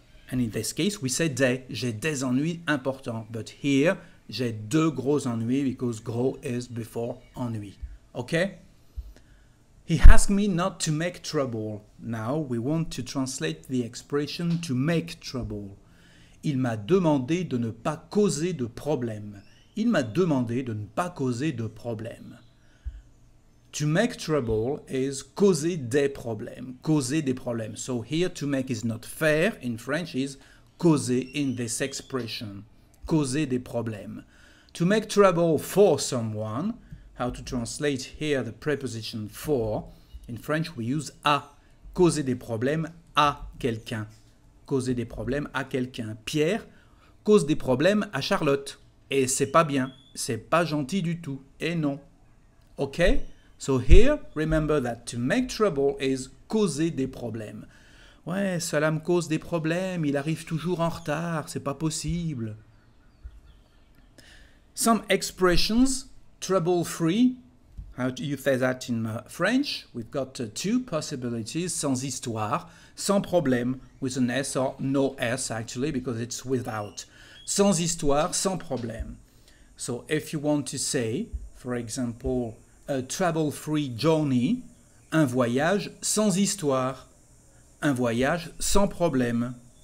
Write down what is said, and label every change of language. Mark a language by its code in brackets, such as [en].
[en] And in this case, we say des. [fr] J'ai des ennuis importants. [en] But here, [fr] j'ai deux gros ennuis [en] because gros is before ennui. Okay? He asked me not to make trouble. Now, we want to translate the expression to make trouble. [fr] Il m'a demandé de ne pas causer de problème. Il m'a demandé de ne pas causer de problème. [en] To make trouble is [fr] causer des problèmes, causer des problèmes. [en] So here to make is not faire in French is causer in this expression, [fr] causer des problèmes. [en] To make trouble for someone, how to translate here the preposition for, in French we use à, [fr] causer des problèmes à quelqu'un, [en] causer des problèmes à quelqu'un. [fr] Pierre cause des problèmes à Charlotte et c'est pas bien, c'est pas gentil du tout et non. Ok? [en] So here, remember that to make trouble is causer des problèmes. [fr] Ouais, cela me cause des problèmes, il arrive toujours en retard, c'est pas possible. [en] Some expressions, trouble-free, how do you say that in French? We've got two possibilities, [fr] sans histoire, sans problème, [en] with an S or no S actually, because it's without. [fr] Sans histoire, sans problème. [en] So if you want to say, for example, a trouble-free journey, [fr] un voyage sans histoire, un voyage sans problème.